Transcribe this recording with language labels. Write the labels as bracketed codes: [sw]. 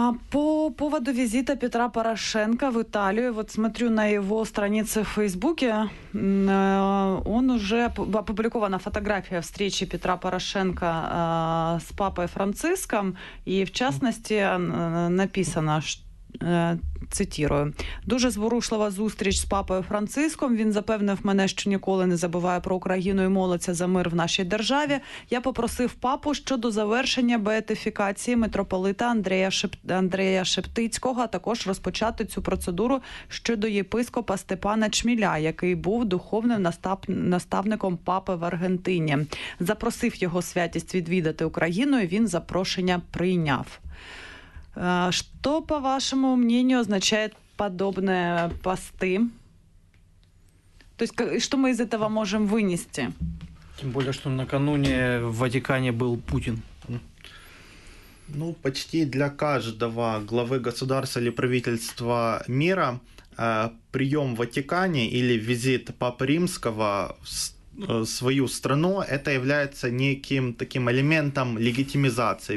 [ru] По поводу визита Петра Порошенко в Италию, вот смотрю на его странице в Фейсбуке, он уже опубликована фотография встречи Петра Порошенко с папой Франциском, и в частности написано, что, цитирую: [uk] «Дуже зворушлива зустріч з папою Франциском. Він запевнив мене, що ніколи не забуває про Україну і молиться за мир в нашій державі. Я попросив папу щодо завершення беатифікації митрополита Андрея Шептицького, а також розпочати цю процедуру щодо єпископа Степана Чміля, який був духовним наставником папи в Аргентині. Запросив його святість відвідати Україну, і він запрошення прийняв». [ru] Что, по вашему мнению, означает подобные посты? То есть, что мы из этого можем вынести? Тем более, что накануне в Ватикане был Путин. Ну, почти для каждого главы государства или правительства мира прием в Ватикане или визит Папы Римского в свою страну, это является неким таким элементом легитимизации.